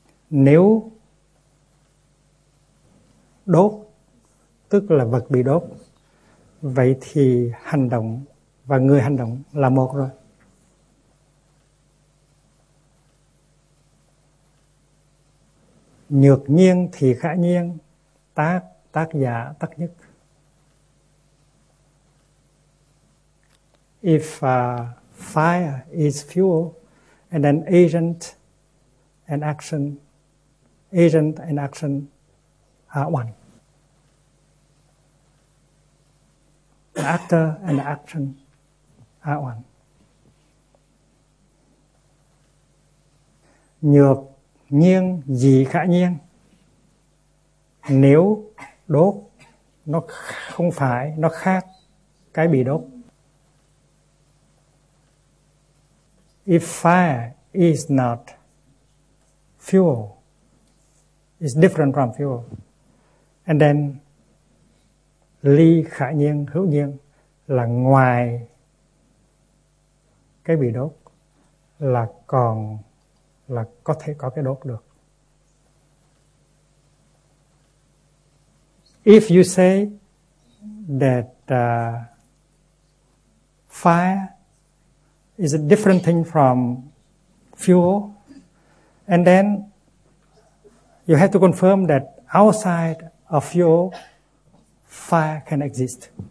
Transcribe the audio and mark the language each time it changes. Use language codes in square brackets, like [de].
[vi] Nếu đốt tức là vật bị đốt, vậy thì hành động và người hành động là một rồi. Nhược nhiên thì khả nhiên, tác giả tác nhất. [en] If fire is fuel and an agent and action, agent and action are one. The actor and the action are one. [vi] Nhược nhiên dị khả nhiên. Nếu đốt nó không phải, nó khác cái bị đốt. [en] If fire is not fuel, it's different from fuel. And then [vi] ly khả nhiên, hữu nhiên là ngoài cái bị đốt, là còn là có thể có cái đốt được. [en] If you say that fire is a different thing from fuel, and then you have to confirm that outside of fuel, fire can exist.